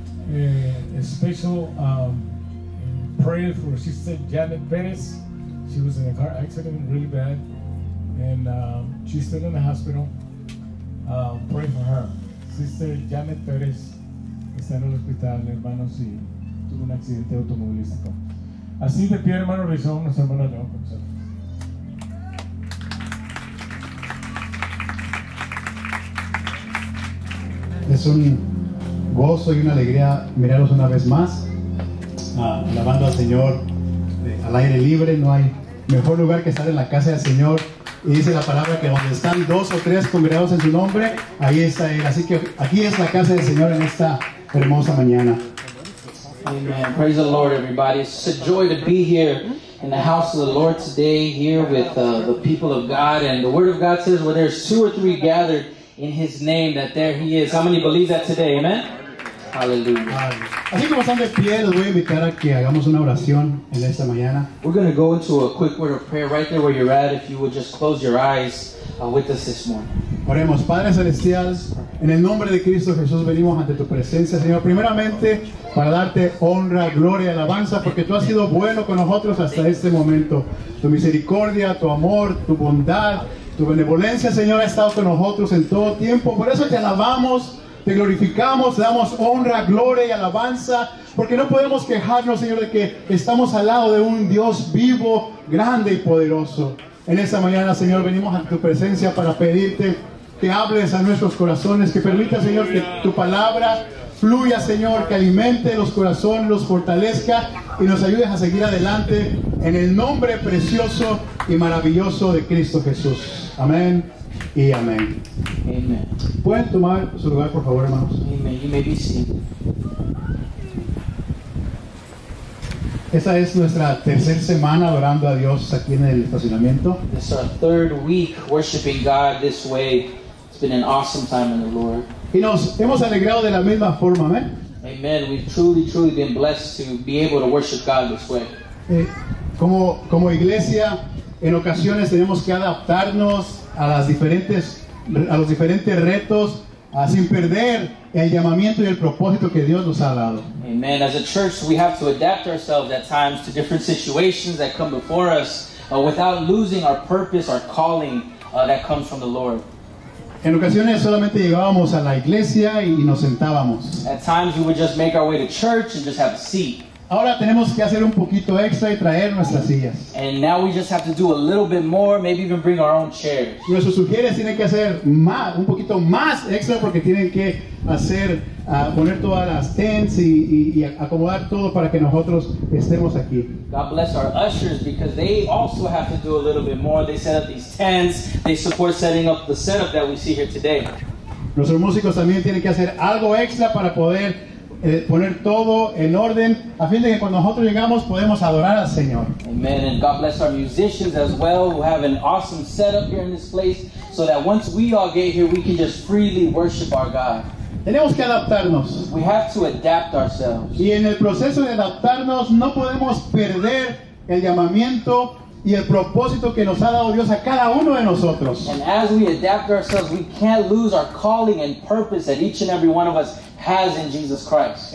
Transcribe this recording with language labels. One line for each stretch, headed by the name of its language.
English: A special prayer for Sister Janet Perez. She was in a car accident, really bad, and she's still in the hospital. Pray for her.
Spanish: Sister Janet Perez está en el hospital, hermanos, y tuvo un accidente automovilístico. Así de pie, hermano, rezamos a nuestra hermana León con nosotros. Es un gozo y una alegría mirarlos una vez más, alabando al Señor al aire libre. No hay mejor lugar que estar en la casa del Señor. Y dice la palabra que donde están dos o tres congregados en su nombre, ahí está Él. Así que aquí es la casa del Señor en esta hermosa mañana.
English: Amen. Praise the Lord, everybody. It's a joy to be here in the house of the Lord today, here with the people of God. And the Word of God says, where there's two or three gathered in His name, that there He is. How many believe that today? Amen? Hallelujah.
Spanish: Así como están de pie, les voy a invitar a que hagamos una oración en esta mañana.
English: We're going to go into a quick word of prayer right there where you're at, if you would just close your eyes with us this morning.
Spanish: Oremos, Padre Celestial, en el nombre de Cristo Jesús venimos ante tu presencia, Señor, primeramente para darte honra, gloria, alabanza, porque tú has sido bueno con nosotros hasta este momento. Tu misericordia, tu amor, tu bondad, tu benevolencia, Señor, ha estado con nosotros en todo tiempo. Por eso te alabamos, te glorificamos, te damos honra, gloria y alabanza, porque no podemos quejarnos, Señor, de que estamos al lado de un Dios vivo, grande y poderoso. En esta mañana, Señor, venimos a tu presencia para pedirte que hables a nuestros corazones, que permita, Señor, que tu palabra fluya, Señor, que alimente los corazones, los fortalezca y nos ayudes a seguir adelante en el nombre precioso y maravilloso de Cristo Jesús. Amén y amén.
English: Amen.
Spanish: ¿Pueden tomar su lugar, por favor, hermanos?
English: Amen. You may be seen.
Spanish: Esta es nuestra tercera semana adorando a Dios aquí en el estacionamiento.
English: It's our third week worshiping God this way. It's been an awesome time in the Lord.
Spanish: Y nos hemos alegrado de la misma forma, amén.
English: Amen. We've truly, truly been blessed to be able to worship God this way.
Spanish: Como iglesia, en ocasiones tenemos que adaptarnos a las diferentes retos, sin perder el llamamiento y el propósito que Dios nos ha dado.
English: Amen. As a church, we have to adapt ourselves at times to different situations that come before us, without losing our purpose, our calling, that comes from the Lord.
Spanish: En ocasiones solamente llegábamos a la iglesia y nos sentábamos.
English: At times we would just make our way to church and just have a seat.
Spanish: Ahora tenemos que hacer un poquito extra y traer nuestras sillas.
English: And now we just have to do a little bit more, maybe even bring our own chairs.
Spanish: Nuestros sugieres tienen que hacer más, un poquito más extra porque tienen que hacer, poner todas las tents y acomodar todo para que nosotros estemos aquí.
English: God bless our ushers because they also have to do a little bit more. They set up these tents, they support setting up the setup that we see here today.
Spanish: Nuestros músicos también tienen que hacer algo extra para poder poner todo en orden a fin de que cuando nosotros llegamos podemos adorar al Señor.
English: Amen. And God bless our musicians as well, who have an awesome setup here in this place, so that once we all get here, we can just freely worship our God.
Spanish: Tenemos que adaptarnos.
English: We have to adapt ourselves.
Spanish: Y en el proceso de adaptarnos, no podemos perder el llamamiento y el propósito que nos ha dado Dios a cada uno de nosotros.
English: And as we adapt ourselves, we can't lose our calling and purpose that each and every one of us has in Jesus Christ.